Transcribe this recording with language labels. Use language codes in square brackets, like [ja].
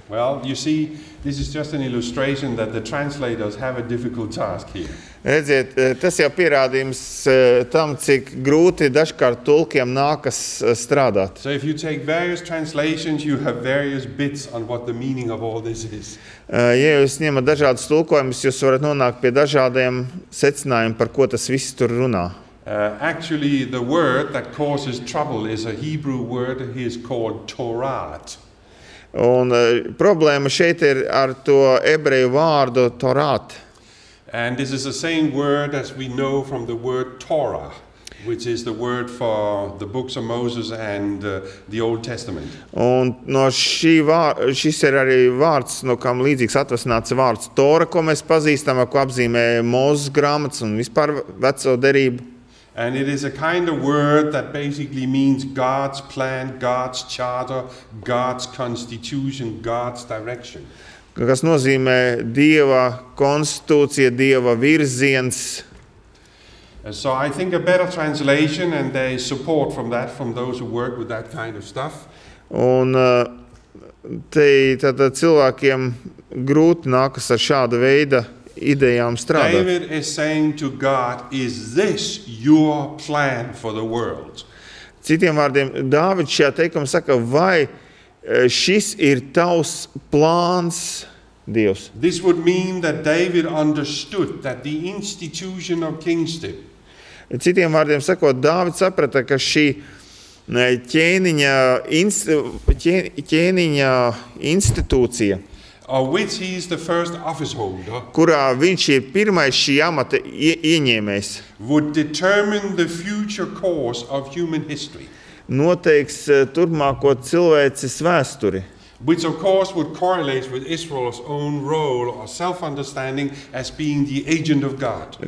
[en] Well, you see, this is just an illustration that the translators have a difficult task here. [lv] Redziet, tas jau pierādījums tam, cik grūti dažkārt tulkiem nākas strādāt. [en] So if you take various translations, you have various bits on what the meaning of all this is. [lv] Ja jūs ņemat dažādus tulkojumus, jūs varat nonākt pie dažādiem secinājumiem, par ko tas viss tur runā. [en] Actually, the word that causes trouble is a Hebrew word, he is called Torat. [lv] Un problēma šeit ir ar to ebreju vārdu Torat. [en] And this is the same word as we know from the word Torah, which is the word for the books of Moses and the Old Testament. [lv] Un no šī šis ir arī vārds, no kam līdzīgs atvasināts vārds Tora, ko mēs pazīstam, ko apzīmē Mozes grāmatas un vispār veco derību. [en] And it is a kind of word that basically means God's plan, God's charter, God's constitution, God's direction. [lv] Kas nozīmē Dieva konstitūcija, Dieva virziens. [en] So I think a better translation and there is support from that from those who work with that kind of stuff. [lv] Un tātad cilvēkiem grūti nākas ar šāda veida idejām strādāt. [en] David is saying to God, is this your plan for the world? [lv] Citiem vārdiem, Dāvids šajā teikumā saka, vai šis ir tavs plāns, Dievs? [en] This would mean that David understood that the institution of kingship. [lv] Citiem vārdiem sakot, Dāvids saprata, ka šī ķēniņa institūcija [en] of which he is the first office holder, [lv] kurā viņš ir pirmais šī amata ieņēmējs, [en] would determine the future course of human history. [lv] Noteiks turpmāko cilvēces vēsturi. [en] Which of course would correlate with Israel's own role or self-understanding as being the agent of God.